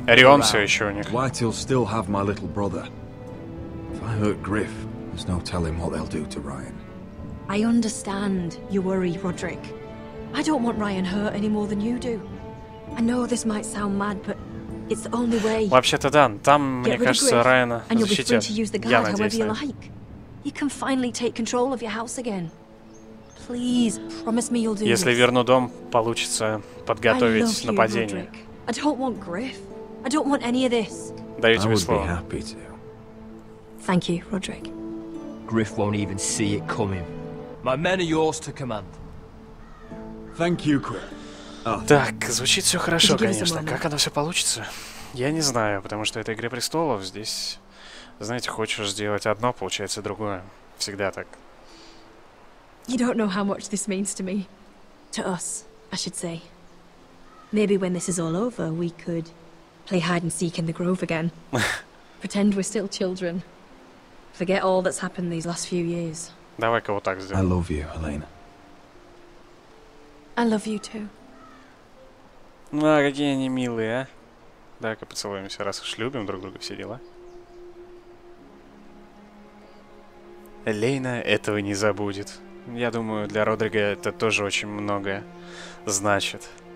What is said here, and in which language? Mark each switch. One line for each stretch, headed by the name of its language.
English: him around.
Russian: Орион все еще у них.
English: Whitehill still have my little brother. If I hurt Griff, there's no telling what they'll do to Ryan. I understand your worry, Roderick. I don't want Ryan hurt any more than you do. I know this might sound mad, but it's the only way.
Russian: Вообще-то да, там, мне кажется, Райана защитят. Я надеюсь на это.
English: You can finally take control of your house again. Please, promise me you'll do this.
Russian: Если верну дом, получится подготовить нападение.
English: I love you, Roderick. I don't want Griff. I don't want any of this.
Russian: Даю тебе слово.
English: I would be happy to. Thank you, Roderick. Griff won't even see it coming. My men are yours to command. Thank you, Griff.
Russian: Так, звучит все хорошо, конечно. Как оно все получится? Я не знаю, потому что это «Игра престолов». Здесь, знаете, хочешь сделать одно, получается другое. Всегда так.
English: You don't know how much this means to me. To us, I should say. Maybe when this is all over, we could play hide and seek in the grove again. Pretend we're still children. Forget all that's happened these last few years.
Russian: Давай-ка вот так сделаем.
English: I love you, Elena. I love you too.
Russian: Ну, а какие они милые, а? Давай-ка поцелуемся, раз уж любим друг друга, все дела. Лейна этого не забудет. Я думаю, для Родрига это тоже очень многое значит.